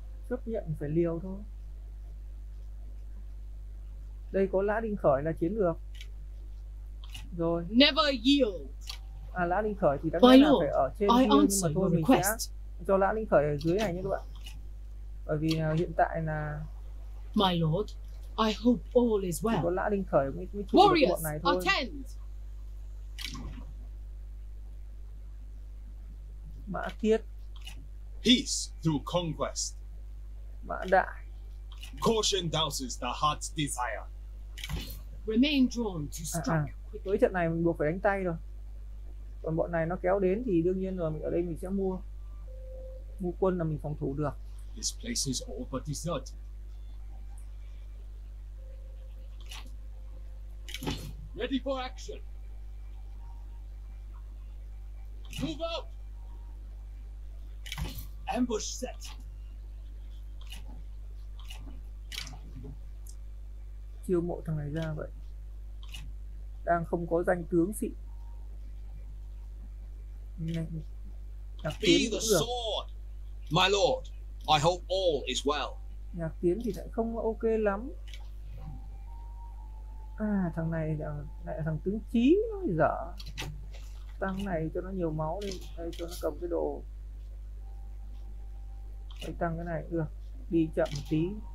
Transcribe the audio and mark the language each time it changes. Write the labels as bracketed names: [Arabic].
[Vietnamese] Chấp nhận phải liều thôi. Đây có Lã Đinh Khởi là chiến lược. Rồi. [English] Never yield. [Vietnamese] À, Lã Đinh Khởi thì đáng lẽ là phải ở trên kia, nhưng mà thôi mình sẽ cho Lã Đinh Khởi ở dưới này nhé các bạn. Bởi vì hiện tại là [English] my lord, I hope all is well. [Vietnamese] Chỉ có Lã Đinh Khởi mới chủ được bọn này thôi. [English] Attend. [Vietnamese] Mã Thiết. [English] Peace through conquest. [Vietnamese] Mã Đại. [English] Caution douses the heart's desire. Remain drawn to strike. [Vietnamese] Tới trận này mình buộc phải đánh tay rồi. Còn bọn này nó kéo đến thì đương nhiên rồi, mình ở đây mình sẽ mua. Mua quân là mình phòng thủ được. [English] This place is all but desert. Ready for action. Move out. Ambush set. [Vietnamese] Chiêu mộ thằng này ra vậy. Đang không có danh tướng sĩ. Nhạc tiến cũng được. [English] My lord, I hope all is well. [Vietnamese] Nhạc tiến thì lại không ok lắm. À, thằng này lại là thằng tướng trí, nó dở. Tăng này cho nó nhiều máu đi, đây cho nó cầm cái đồ. Đây tăng cái này được, đi chậm một tí.